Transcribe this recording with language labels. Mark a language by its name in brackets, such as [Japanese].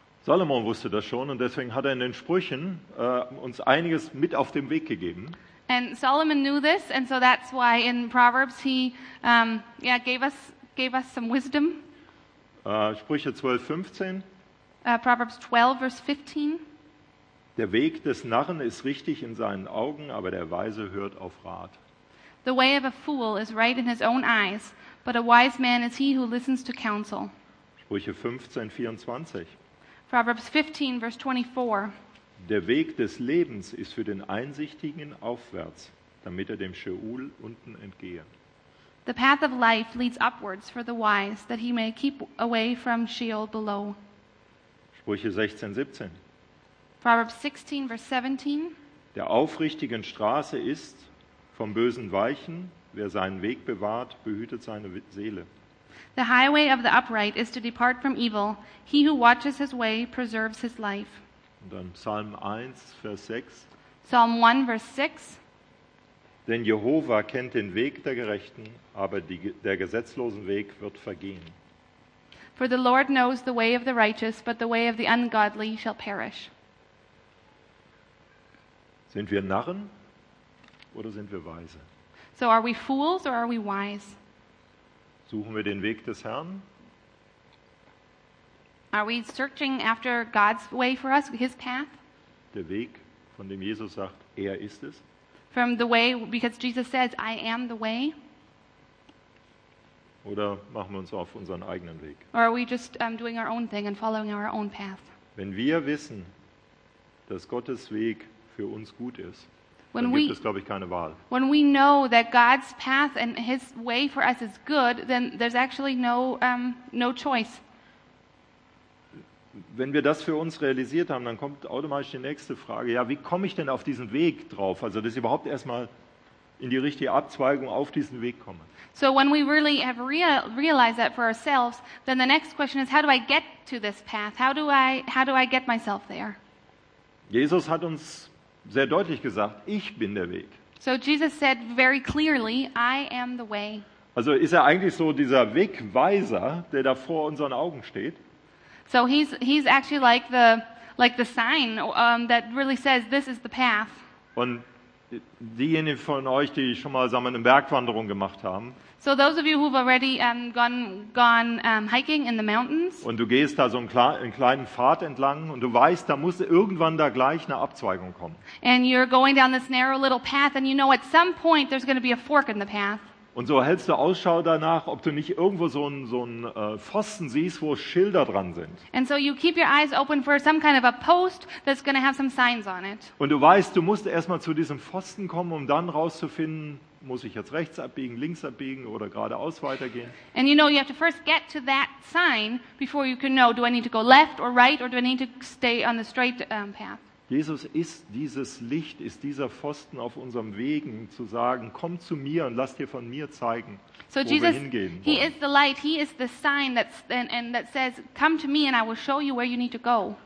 [German] Salomon wusste das schon und deswegen hat er in den Sprüchen uns einiges mit auf dem Weg gegeben. [English] And Solomon knew this, and so that's why in Proverbs he gave us some wisdom. [German] Sprüche 12:15. [English] Proverbs 12, verse 15. [German] Der Weg des Narren ist richtig in seinen Augen, aber der Weise hört auf Rat. [English] The way of a fool is right in his own eyes, but a wise man is he who listens to counsel. [German] Sprüche 15:24. [English] Proverbs 15, verse 24. [German] Der Weg des Lebens ist für den Einsichtigen aufwärts, damit er dem Scheol unten entgehe. [English] The path of life leads upwards for the wise, that he may keep away from Sheol below. [German] Sprüche 16:17. [English] Proverbs 16, verse 17. [German] Der aufrichtigen Straße ist vom Bösen weichen, wer seinen Weg bewahrt, behütet seine Seele. [English] The highway of the upright is to depart from evil. He who watches his way preserves his life. [German] Und dann Psalm 1, Vers 6. [English] Psalm 1, Vers 6. [German] Denn Jehova kennt den Weg der Gerechten, aber der gesetzlosen Weg wird vergehen. [English] For the Lord knows the way of the righteous, but the way of the ungodly shall perish. [German] Sind wir Narren oder sind wir weise? [English] So are we fools or are we wise? [German] Suchen wir den Weg des Herrn? [English] Are we searching after God's way for us, his path? [German] Der Weg, von dem Jesus sagt, er ist es. [English] From the way, because Jesus says, I am the way. [German] Oder machen wir uns auf unseren eigenen Weg? [English] Or are we just doing our own thing and following our own path? [German] Wenn wir wissen, dass Gottes Weg für uns gut ist, when dann gibt es, glaube ich, keine Wahl. [English] When we know that God's path and his way for us is good, then there's actually no choice. [German] Wenn wir das für uns realisiert haben, dann kommt automatisch die nächste Frage, ja, wie komme ich denn auf diesen Weg drauf? Also, dass ich überhaupt erstmal in die richtige Abzweigung auf diesen Weg komme. [English] So, when we really have realized that for ourselves, then the next question is, how do I get to this path? How do I get myself there? [German] Jesus hat uns sehr deutlich gesagt, ich bin der Weg. [English] So, Jesus said very clearly, I am the way. [German] Also, ist er eigentlich so dieser Wegweiser, der da vor unseren Augen steht? [English] So he's actually like the sign that really says this is the path. [German] Und diejenigen von euch, die schon mal zusammen eine Bergwanderung gemacht haben. [English] So those of you who've already gone hiking in the mountains. [German] Und du gehst da so einen kleinen Pfad entlang und du weißt, da muss irgendwann da gleich eine Abzweigung kommen. [English] And you're going down this narrow little path and you know at some point there's going to be a fork in the path. [German] Und so hältst du Ausschau danach, ob du nicht irgendwo so einen Pfosten siehst, wo Schilder dran sind. [English] And so you keep your eyes open for some kind of a post that's going to have some signs on it. [German] Und du weißt, du musst erstmal zu diesem Pfosten kommen, um dann rauszufinden, muss ich jetzt rechts abbiegen, links abbiegen oder geradeaus weitergehen? [English] And you know you have to first get to that sign before you can know, do I need to go left or right or do I need to stay on the straight path? [German] Jesus ist dieses Licht, ist dieser Pfosten auf unserem Wegen zu sagen, komm zu mir und lass dir von mir zeigen, so wo Jesus, wir hingehen wollen. [English] He is the light, he is the sign that says, come to me and I will show you where you need to go.